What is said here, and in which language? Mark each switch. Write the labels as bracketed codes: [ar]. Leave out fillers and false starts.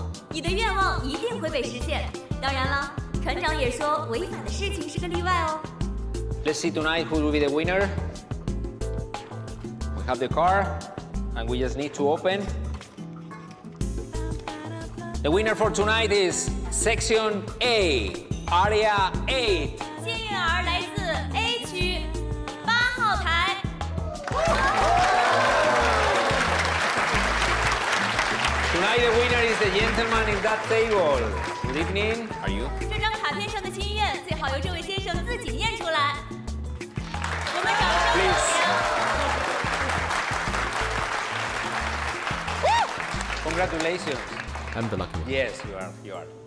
[zh] 你的愿望一定会被实现。当然了，船长也说违法的事情是个例外哦。 [en] Let's see tonight who will be the winner. We have the car, and we just need to open. The winner for tonight is Section A, Area 8. [zh] 幸运儿来自 A 区八号台。 [en] Tonight the winner is the gentleman in that table. Good evening. Are you? [zh] 这张卡片上的心愿最好由这位先生自己念出来。我们掌声欢迎。 [en] Congratulations. I'm the lucky one. Yes, you are. You are.